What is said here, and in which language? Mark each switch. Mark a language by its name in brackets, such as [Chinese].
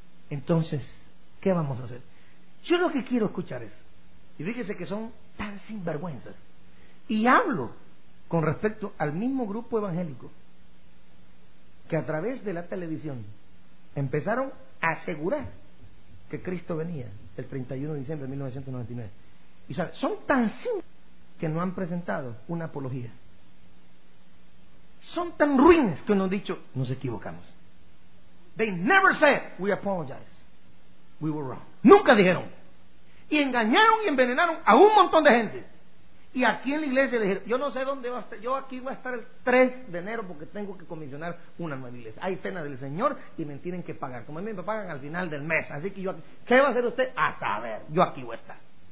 [Spanish] Entonces, ¿qué vamos a hacer? Yo lo que quiero escuchar es, y fíjese que son tan sinvergüenzas, y hablo con respecto al mismo grupo evangélico que a través de la televisión empezaron a asegurar que Cristo venía el 31 de diciembre de 1999. Y sabe, son tan sinvergüenzas que no han presentado una apología. Son tan ruines que uno ha dicho: nos equivocamos. [English] They never said, we apologize, we were wrong. [Spanish] Nunca dijeron. Y engañaron y envenenaron a un montón de gente. Y aquí en la iglesia le dijeron: yo no sé dónde va a estar, yo aquí voy a estar el 3 de enero porque tengo que comisionar una nueva iglesia. Hay cena del Señor y me tienen que pagar. Como a mí me pagan al final del mes. Así que yo aquí, ¿qué va a hacer usted? A saber, yo aquí voy a estar.